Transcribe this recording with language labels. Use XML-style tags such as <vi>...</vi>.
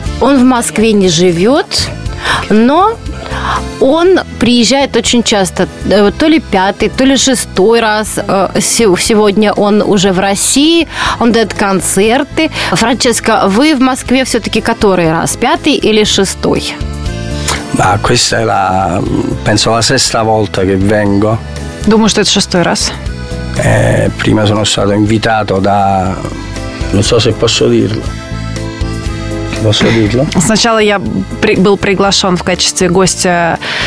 <ru>Он в Москве не живет, но он приезжает очень часто, то ли пятый, то ли шестой раз. Сегодня он уже в России, он дает концерты. Франческо, вы в Москве все-таки который раз, пятый или шестой?</ru> <it>Да, questa è la, penso la sesta volta che vengo.</it> <ru>Думаю, что это шестой раз.</ru> <it>Prima sono stato invitato da, non so se posso dirlo.</it> <ru>Сначала я был приглашен в качестве гостя</ru>